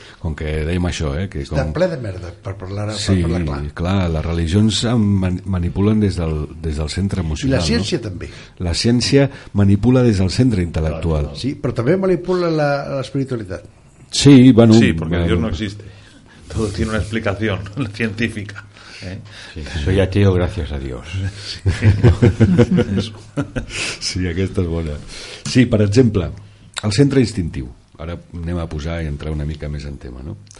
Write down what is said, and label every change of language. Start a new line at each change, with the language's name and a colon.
Catalan: Com que dèiem això, que està com ple de merda per parlar, sí, per parlar clar. Clar, les religions manipulen des del centre emocional, i la ciència, no? També la ciència manipula des del centre intel·lectual, sí, però també manipula l'espiritualitat, sí, bueno,
Spanish: sí, perquè Dios no existe. Todo tiene una explicación científica. Sí, soy ateo gracias a Dios.
Catalan: Sí, aquesta és bona. Sí, per exemple, el centre instintiu. Ara anem a posar i entrar una mica més en tema, no?